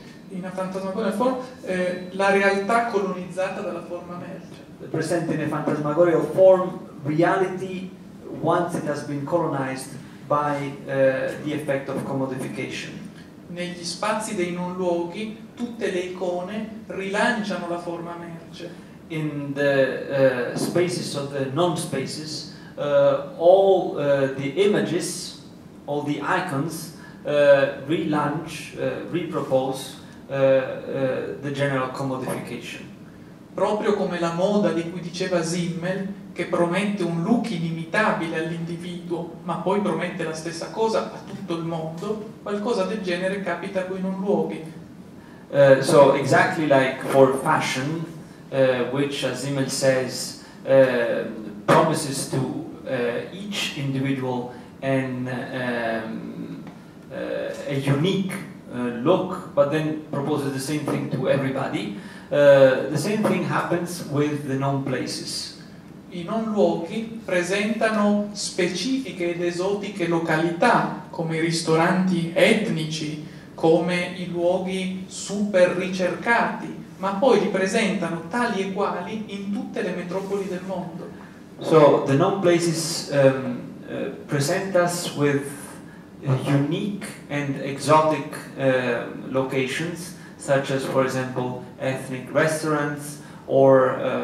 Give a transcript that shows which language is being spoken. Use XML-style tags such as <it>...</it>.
<en>in a phantasmagorial form,</en> <it>la realtà colonizzata dalla forma merce,</it> <en>present in a phantasmagorial form reality once it has been colonized by the effect of commodification.</en> <it>Negli spazi dei non luoghi tutte le icone rilanciano la forma merce.</it> <en>In the spaces of the non-spaces, all the images, all the icons, relaunch, repropose the general commodification.</en> <it>proprio come la moda di cui diceva Simmel, che promette un look inimitabile all'individuo, ma poi promette la stessa cosa a tutto il mondo, qualcosa del genere capita qui in un luogo.</it> <en>So exactly like for fashion, which as Simmel says, promises to each individual a unique look, but then proposes the same thing to everybody. The same thing happens with the non places.</en> <it>I non luoghi presentano specifiche ed esotiche località, come i ristoranti etnici, come i luoghi super ricercati, ma poi li presentano tali e quali in tutte le metropoli del mondo.</it> <en>So the non places present us with unique and exotic locations, such as, for example, ethnic restaurants or</en>